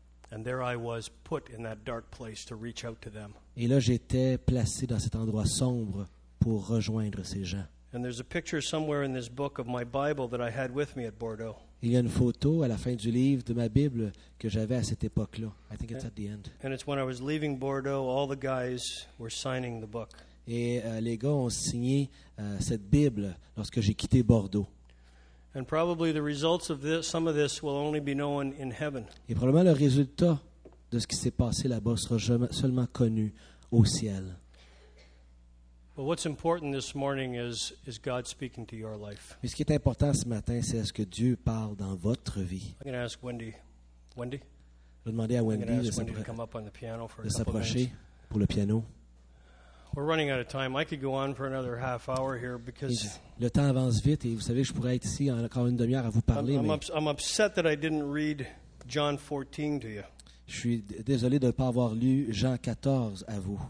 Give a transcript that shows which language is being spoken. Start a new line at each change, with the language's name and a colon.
English: And there I was put in that dark place to reach out to them.
French: Et là, j'étais placé dans cet endroit sombre pour rejoindre ces gens.
English: And there's a picture somewhere in this book of my Bible that I had with me at Bordeaux.
French: Il y a une photo à la fin du livre de ma Bible que j'avais à cette époque-là.
English: I think it's at the end. And it's when I was leaving Bordeaux, all the guys were signing the book.
French: Et les gars ont signé cette Bible lorsque j'ai quitté Bordeaux.
English: And probably the results of this, some of this will only be known in heaven.
French: Et probablement le résultat de ce qui s'est passé là-bas sera seulement connu au ciel.
English: But what's important this morning is God speaking to your life.
French: Mais ce qui est important ce matin, c'est est-ce que Dieu parle dans votre vie.
English: I'm going to ask Wendy. Wendy?
French: Je vais demander à Wendy
English: to come up on the piano for
French: de s'approcher pour le piano.
English: We're running out of time. I could go on for another half hour here because
French: le temps avance vite et vous savez je pourrais être ici encore une demi-heure à vous parler.
English: I'm upset that I didn't read John 14 to you.
French: Je suis désolé de ne pas avoir lu Jean 14 à vous.